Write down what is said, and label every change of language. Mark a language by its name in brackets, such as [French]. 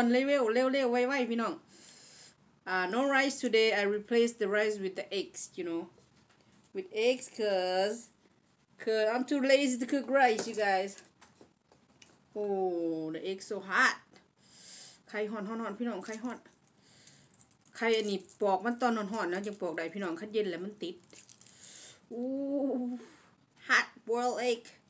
[Northeastern Thai] บ่เผ็ดบ่แซ่บเนาะพี่น้องเนาะและบ่มีข้าวด้วยพี่น้องมื้อนี้เอาไข่แทนข้าวพี่น้องแบบด่วนๆเร็วๆเร็วๆไวๆพี่น้อง [English] no rice today. I replaced the rice with the eggs, you know. With eggs, cause I'm too lazy to cook rice, you guys. Oh, the egg's so hot. [Northeastern Thai] ไข่ฮ้อนๆๆพี่น้องไข่ฮ้อนไข่อันนี้ปอกมันตอนฮ้อนๆแล้วยังปอกได้พี่น้องคันเย็นแล้วมันติด [English] Ooh, hot boiled egg.